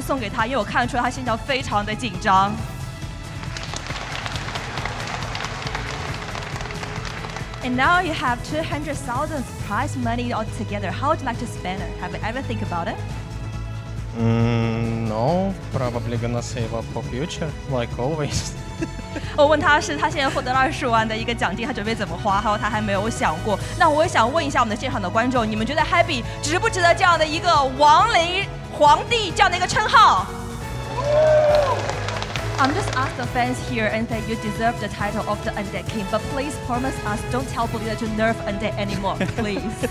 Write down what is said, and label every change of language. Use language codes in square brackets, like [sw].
[zh] 他说他非常开心，他从来没有想过自己可以赢得这样的一个冠军。Happy是第一个欧洲选手获得这样的一个殊荣的，我们把掌声送给他，因为我看得出来他心跳非常的紧张。 [en] And now you have 200,000 prize money all together. How would you like to spend it? Have you ever think about it? No, probably gonna save up for future, like always. [zh] 我问他是他现在获得了20万的一个奖金，他准备怎么花？他说他还没有想过。那我也想问一下我们的现场的观众， 你们觉得Happy值不值得这样的一个王雷皇帝这样的一个称号？ [en] I'm just ask the fans here and say you deserve the title of the Undead King, but please promise us don't tell Belinda to nerf Undead anymore, please.